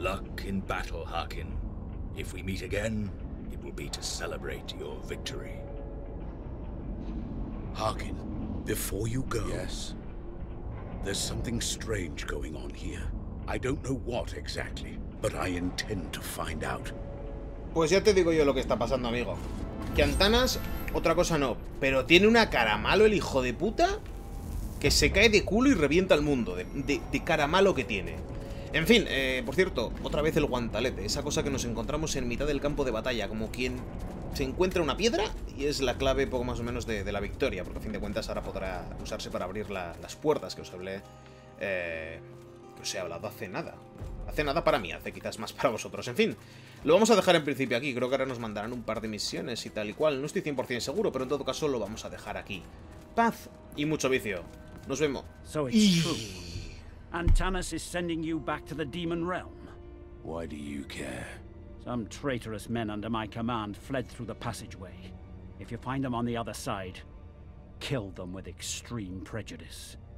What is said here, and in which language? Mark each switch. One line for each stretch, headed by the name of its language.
English: Luck in battle, Harkin. If we meet again, it will be to celebrate your victory. Harkin, before you go... Yes? There's something strange going on here. I don't know what exactly, but I intend to find out.
Spanish: Pues ya te digo yo lo que está pasando, amigo. Que Antanas, otra cosa no, pero tiene una cara malo el hijo de puta que se cae de culo y revienta el mundo, de cara malo que tiene. En fin, por cierto, otra vez el guantalete, esa cosa que nos encontramos en mitad del campo de batalla, como quien se encuentra una piedra y es la clave poco más o menos de la victoria, porque a fin de cuentas ahora podrá usarse para abrir las puertas que os hablé, que os he hablado hace nada. Hace nada para mí, hace quizás más para vosotros. En fin, lo vamos a dejar en principio aquí. Creo que ahora nos mandarán un par de misiones y tal y cual. No estoy 100% seguro, pero en todo caso lo vamos a dejar aquí. Paz y mucho vicio. Nos vemos.
English: So it's true. Antanas is sending you back to the demon realm. Why do you care? Some traitorous men under my command fled through the passageway. If you find them on the other side, kill them with extreme prejudice.